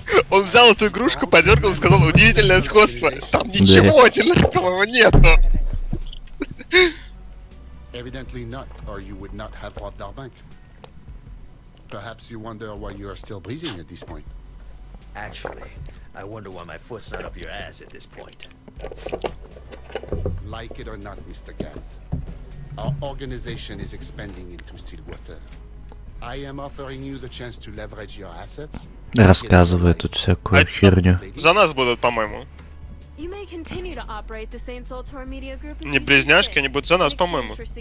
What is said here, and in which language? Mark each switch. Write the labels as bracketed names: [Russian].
[Russian] Он взял эту игрушку, подергал и сказал, удивительное сходство. Там ничего одинакового нету. [English] Evidently not, or you would not have robbed our bank. Perhaps you wonder why you are still breathing at this point. Actually, I wonder why my foot's not up your ass at this point. Like it or not, Mr. Gant, our organization is expanding into Stillwater. I am offering you the chance to leverage your assets. [Russian] Рассказывает тут всякую херню. За нас будут, по-моему. [English] You may continue to operate the Saints Altar Media Group. [Russian] Не близняшки, они будут за нас, по-моему.